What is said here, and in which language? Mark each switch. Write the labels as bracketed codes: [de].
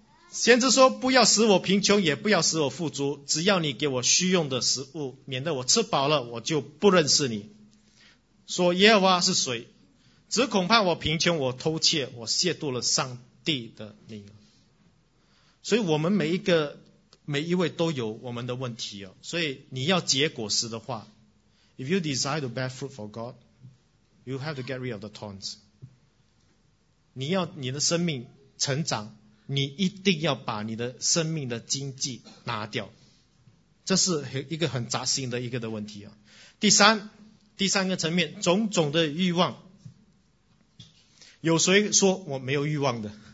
[zh] 先知说，不要使我贫穷，也不要使我富足，只要你给我需用的食物，免得我吃饱了我就不认识你。说耶和华是谁，只恐怕我贫穷，我偷窃，我亵渎了上帝的名。所以我们每一位都有我们的问题哦。所以你要结果实的话， [en] If you desire to bear fruit for God, you have to get rid of the thorns. [zh] 你要你的生命成长，你一定要把你的生命的荆棘拿掉，这是一个很扎心的一个的问题啊。第三个层面，种种的欲望。有谁说我没有欲望的？